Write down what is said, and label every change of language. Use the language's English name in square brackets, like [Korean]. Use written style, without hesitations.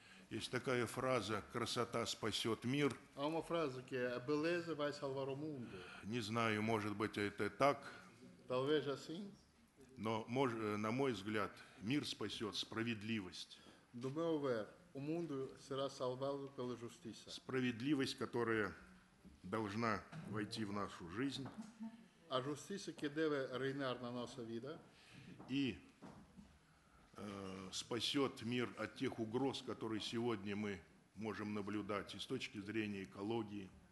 [Russian] Есть такая фраза: красота спасет мир. [Portuguese] Há uma frase que é: a beleza vai salvar o mundo. [Russian] Не знаю, может быть, это так. [Portuguese] Talvez assim. [Russian] Но, на мой взгляд, мир спасет справедливость. [Portuguese] Do meu ver, o mundo será salvado pela justiça. [Russian] Справедливость, которая должна войти в нашу жизнь. [Portuguese] A justiça que deve reinar na nossa vida. [Russian] И спасет мир от тех угроз, которые сегодня мы можем наблюдать и с точки зрения экологии.